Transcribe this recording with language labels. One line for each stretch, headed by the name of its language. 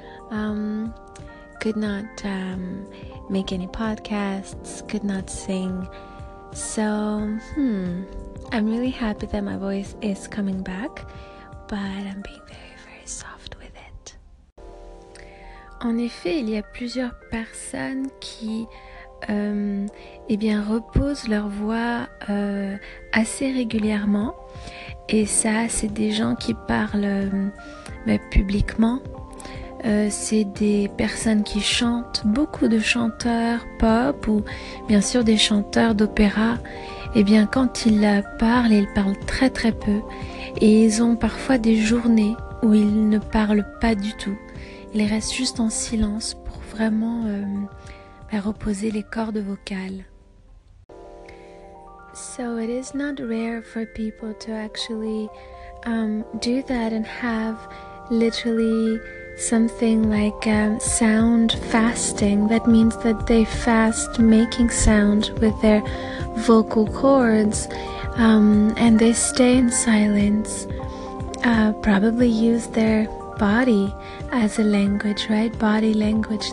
English: Could not make any podcasts, could not sing. So, I'm really happy that my voice is coming back, but I'm being very, very soft with it.
French: En effet, il y a plusieurs personnes qui reposent leur voix assez régulièrement. Et ça, c'est des gens qui parlent publiquement. C'est des personnes qui chantent, beaucoup de chanteurs pop ou bien sûr des chanteurs d'opéra. Et bien quand ils parlent, ils parlent très très peu et ils ont parfois des journées où ils ne parlent pas du tout. Ils restent juste en silence pour vraiment reposer les cordes vocales.
English: So it is not rare for people to actually do that and have literally something like sound fasting. That means that they fast making sound with their vocal cords, and they stay in silence, probably use their body as a language, right? Body language.